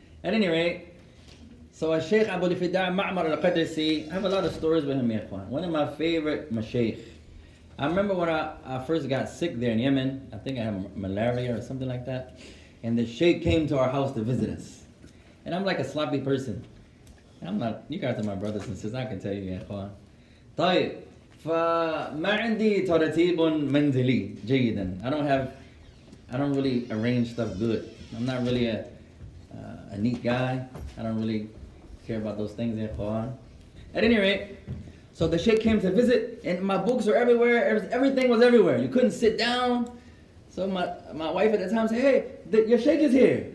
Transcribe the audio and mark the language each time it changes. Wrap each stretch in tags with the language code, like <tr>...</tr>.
<en>At any rate, so a Sheikh Abu Lifida Ma'mar al-Qadisi, I have a lot of stories with him, Ikhwan. One of my favorite Masheikh. I remember when I first got sick there in Yemen, I think I had malaria or something like that. And the Sheikh came to our house to visit us. And I'm like a sloppy person. I'm not, you guys are my brothers and sisters, I can tell you, yeah, Khan.</en> <ar>طيب, فما عندي ترتيب منزلي جيدا.</ar> <en>I don't really arrange stuff good. I'm not really a neat guy. I don't really care about those things, yeah, Khan. At any rate, so the Sheikh came to visit and my books were everywhere. Everything was everywhere. You couldn't sit down. So my wife at the time said, "Hey, your Sheikh is here."</en>